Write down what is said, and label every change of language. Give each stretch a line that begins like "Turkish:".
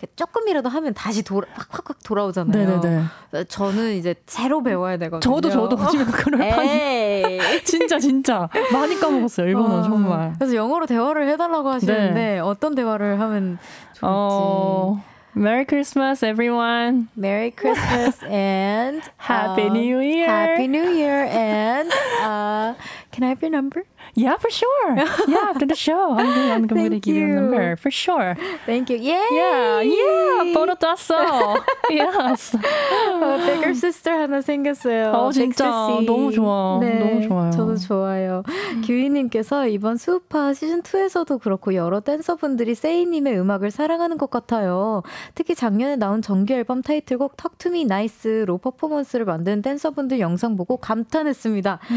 Korean: 조금이라도 하면 다시 확확확 돌아오잖아요. 네네네. 저는 이제 새로 배워야 되거든요. 저도 지금 그럴 판이 진짜 많이 까먹었어요. 일본어 정말. 그래서 영어로 대화를 해달라고 하시는데 네. 어떤 대화를 하면 좋을지.
English: Merry Christmas, everyone. Merry Christmas and Happy New Year. Happy New Year and can I have your number? Yeah, for sure. Yeah, after the show, I'm gonna give you your number for sure. Thank you. Yay!
Korean: Yeah. 번호 땄어. Yes.
English: Bigger sister
Korean: 하나 생겼어요. 진짜 너무 좋아. 네, 너무 좋아요. 저도 좋아요. 규희님께서 이번 수우파 시즌 2에서도 그렇고 여러 댄서분들이 세이님의 음악을 사랑하는 것 같아요. 특히 작년에 나온 정규 앨범 타이틀곡 Talk to Me Nice로 퍼포먼스를 만든 댄서분들 영상 보고 감탄했습니다.